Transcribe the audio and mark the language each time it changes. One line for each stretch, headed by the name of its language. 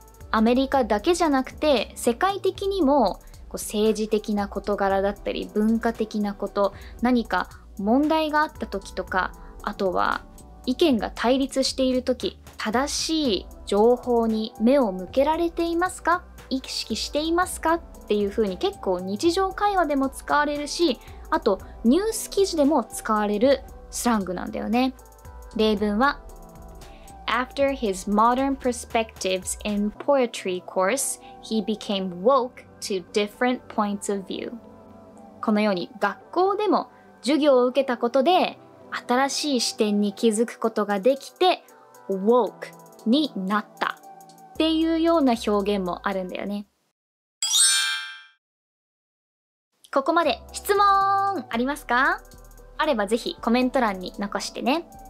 Japanese: アメリカだけじゃなくて、世界的にも政治的な事柄だったり、文化的なこと、何か問題があった時とか、あとは意見が対立している時、正しい情報に目を向けられていますか、意識していますかっていう風に結構日常会話でも使われるし、あとニュース記事でも使われるスラングなんだよね。例文は
English: After his modern perspectives in poetry course, he became woke to different points of view.
Japanese: このように学校でも授業を受けたことで新しい視点に気づくことができて woke になったっていうような表現もあるんだよね。ここまで質問ありますか？あればぜひコメント欄に残してね。